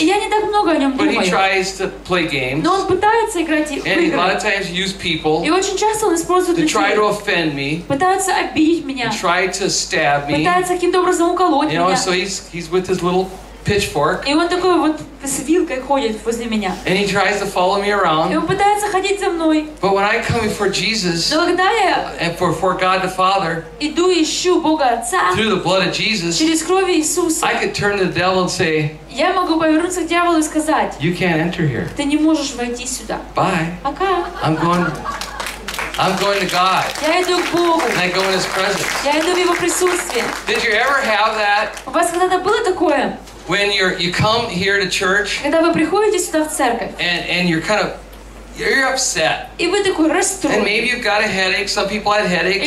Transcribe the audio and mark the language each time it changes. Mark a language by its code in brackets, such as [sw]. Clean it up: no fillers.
[ru] И я не так много о нем думаю. [en] But he tries to play games. [ru] Но он пытается играть в игры. [en] And a lot of times use people. [ru] И очень часто он использует людей. [en] To try to offend me. [ru] Пытается обидеть меня. [en] And try to stab me. [ru] Пытается каким-то образом уколоть меня. [en] You know, so he's with his little pitchfork. [ru] И он такой вот с вилкой ходит возле меня. [en] And he tries to follow me around. [ru] И он пытается ходить за мной. [en] But when I come before Jesus, [ru] но когда я [en] for God the Father, [ru] иду ищу Бога Отца, [en] through the blood of Jesus, [ru] через кровь Иисуса, [en] I could turn to the devil and say, [ru] я могу повернуться к дьяволу и сказать, [en] you can't enter here. [ru] Ты не можешь войти сюда. [en] Bye. [ru] Пока. [en] I'm going to God. [ru] Я иду к Богу. [en] And I go in his presence. [ru] Я иду в его присутствие. [en] Did you ever have that? [ru] У вас когда-то было такое? [en] When you come here to church, [ru] когда вы приходите сюда в церковь, [en] and you're kind of you're upset, [ru] и вы такой расстроен, [en] and maybe you've got a headache, some people had headaches,